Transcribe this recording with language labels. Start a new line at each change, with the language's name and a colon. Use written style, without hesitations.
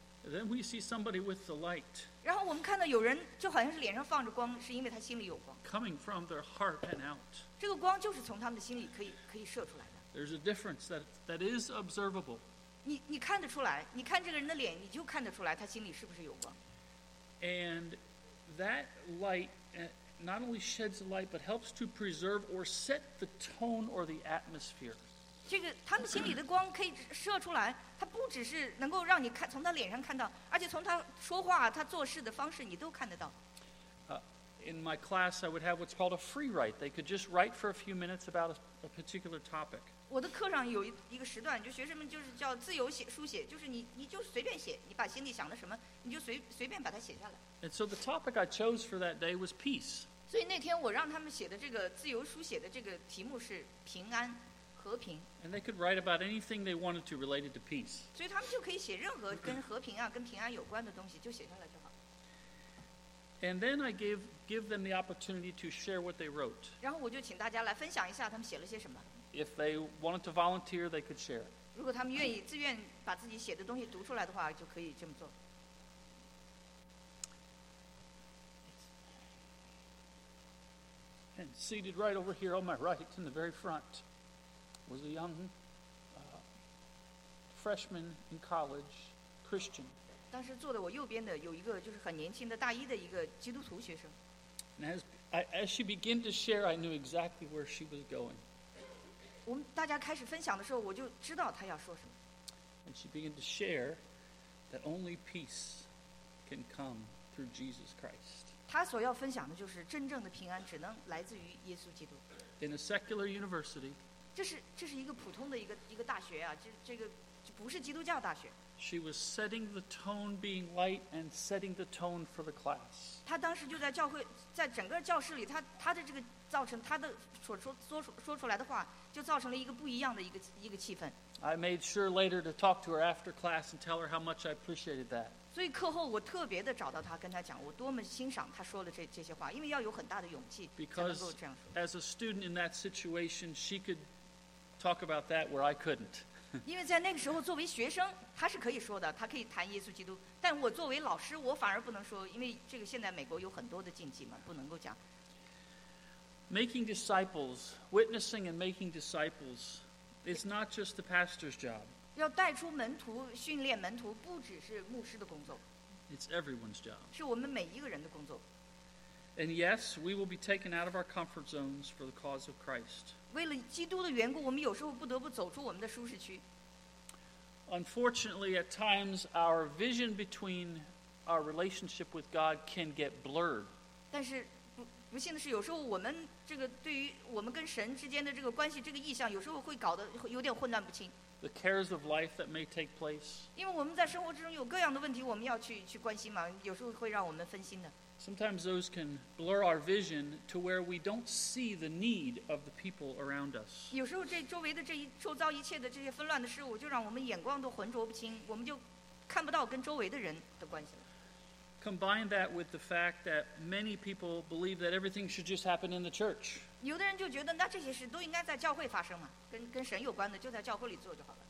English: Then we see somebody with the light.
Chinese: 然后我们看到有人就好像是脸上放着光，是因为他心里有光。
English: Coming from their heart and out.
Chinese: 这个光就是从他们的心里可以射出来的。
English: There's a difference that is observable.
Chinese: 你看得出来，你看这个人的脸，你就看得出来他心里是不是有光。
English: And that light not only sheds light, but helps to preserve or set the tone or the atmosphere.
Chinese: 这个他们心里的光可以射出来。他不只是能够让你看从他脸上看到而且从他说话他做事的方式你都看得到。
English: In my class I would have what's called a free write. They could just write for a few minutes about a particular topic.
Chinese: 我的课上有一个时段就学生们就是叫自由写书写就是你就随便写你把心里想的什么你就随便把它写下来。
English: And so the topic I chose for that day was peace.
Chinese: 所以那天我让他们写的这个自由书写的这个题目是平安。和平。
English: And they could write about anything they wanted to related to peace.
Chinese: 所以他们就可以写任何跟和平啊、跟平安有关的东西，就写下来就好。
English: And then I give them the opportunity to share what they wrote.
Chinese: 然后我就请大家来分享一下他们写了些什么。
English: If they wanted to volunteer, they could share.
Chinese: 如果他们愿意自愿把自己写的东西读出来的话，就可以这么做。
English: And seated right over here on my right in the very front was a young freshman in college, Christian.
Chinese: 当时坐在我右边的有一个就是很年轻的大一的一个基督徒学生。
English: And as she began to share, I knew exactly where she was going.
Chinese: 我们大家开始分享的时候，我就知道她要说什么。
English: And she began to share that only peace can come through Jesus Christ.
Chinese: 他所要分享的就是真正的平安只能来自于耶稣基督。
English: In a secular university,
Chinese: 这是一个普通的一个大学啊，这个不是基督教大学。
English: She was setting the tone, being light, and setting the tone for the class.
Chinese: 他当时就在教会，在整个教室里，他的这个造成他的所说出来的话，就造成了一个不一样的一个气氛。
English: I made sure later to talk to her after class and tell her how much I appreciated that.
Chinese: 所以课后我特别的找到他，跟他讲，我多么欣赏他说的这些话，因为要有很大的勇气才能够这样说。
English: Because as a student in that situation, she could talk about that where I couldn't.
Chinese: 因为在那个时候，作为学生，他是可以说的，他可以谈耶稣基督。但我作为老师，我反而不能说，因为这个现在美国有很多的禁忌嘛，不能够讲。
English: Making disciples, witnessing and making disciples, is not just the pastor's job.
Chinese: 要带出门徒，训练门徒，不只是牧师的工作。
English: It's everyone's job.
Chinese: 是我们每一个人的工作。
English: And yes, we will be taken out of our comfort zones for the cause of Christ.
Chinese: 为了基督的缘故，我们有时候不得不走出我们的舒适区。
English: Unfortunately, at times our vision between our relationship with God can get blurred.
Chinese: 但是不幸的是，有时候我们这个对于我们跟神之间的这个关系，这个意向，有时候会搞得有点混乱不清。
English: The cares of life that may take place.
Chinese: 因为我们在生活之中有各样的问题，我们要去关心嘛，有时候会让我们分心的。
English: Sometimes those can blur our vision to where we don't see the need of the people around us.
Chinese: 有时候这周围的这一周遭一切的这些纷乱的事物，就让我们眼光都浑浊不清，我们就看不到跟周围的人的关系了。
English: Combine that with the fact that many people believe that everything should just happen in the church.
Chinese: 有的人就觉得那这些事都应该在教会发生嘛，跟神有关的就在教会里做就好了。